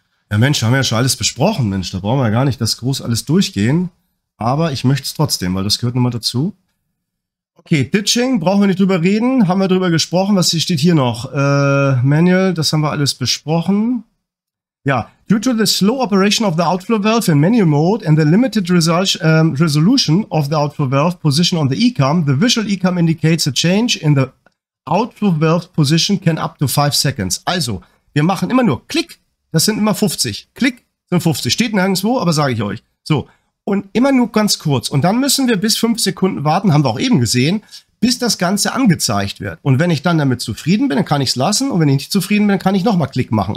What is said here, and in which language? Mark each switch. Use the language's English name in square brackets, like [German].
[German] Ja Mensch, haben wir ja schon alles besprochen, Mensch, da brauchen wir ja gar nicht das groß alles durchgehen. Aber ich möchte es trotzdem, weil das gehört nochmal dazu. Okay, Ditching, brauchen wir nicht drüber reden, haben wir drüber gesprochen, was steht hier noch? Manual, das haben wir alles besprochen. [English] Ja, due to the slow operation of the outflow valve in manual mode and the limited resolution of the outflow valve position on the ECAM, the visual ECAM indicates a change in the outflow valve position can up to 5 seconds. [German] Also, wir machen immer nur Klick, das sind immer 50. Klick sind 50, steht nirgendwo, aber sage ich euch. So, und immer nur ganz kurz. Und dann müssen wir bis 5 Sekunden warten, haben wir auch eben gesehen, bis das Ganze angezeigt wird. Und wenn ich dann damit zufrieden bin, dann kann ich es lassen. Und wenn ich nicht zufrieden bin, kann ich nochmal Klick machen.